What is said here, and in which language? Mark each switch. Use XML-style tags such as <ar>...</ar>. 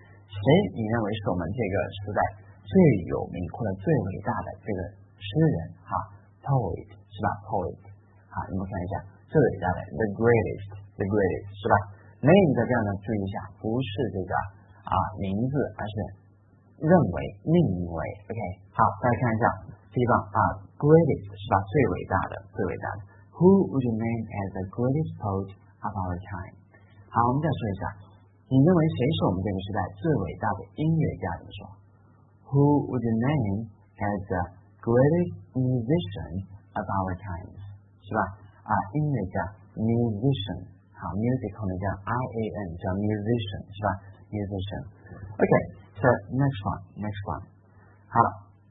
<zh>谁你认为是我们这个时代最有名或者最伟大的这个诗人哈 ？Poet 是吧 ？Poet 啊，你们看一下最伟大的 the greatest 是吧 ？Name 在这儿呢，注意一下，不是这个名字，而是认为命名为 OK。好，大家看一下。地方啊 ，greatest 是吧？最伟大的，最伟大的。 Who would you name as the greatest poet of our time？好，我们再说一下，你认为谁是我们这个时代最伟大的音乐家？怎么说</zh> <en>？Who would you name as the greatest musician of our time？</en> <zh>是吧？啊，音乐家 ，musician， 好 ，musical 呢叫 I A N， 叫 musician 是吧 ？musician。</zh> <en>Okay，so next one，</en> <zh>好了。</zh>